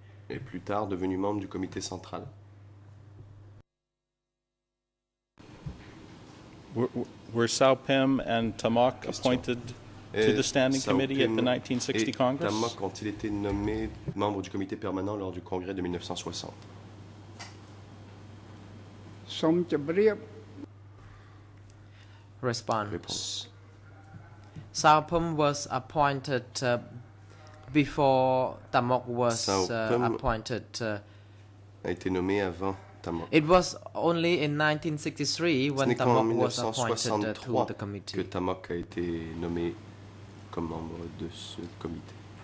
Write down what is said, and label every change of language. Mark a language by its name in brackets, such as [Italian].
[French] Et plus tard devenu membre du comité central. [English] Were Sao Pem and Tamok appointed to the standing committee at the 1960 Congress? [French] Et Tamok ont-ils été nommés membres du comité permanent lors du congrès de 1960? [English] Response. Sao Pum was appointed before Tamok was appointed. [French] A été nommé avant Tamok. [English] It was only in 1963 when Tamok was appointed to the committee. [French] Que Tamok a été nommé comme membre de ce comité.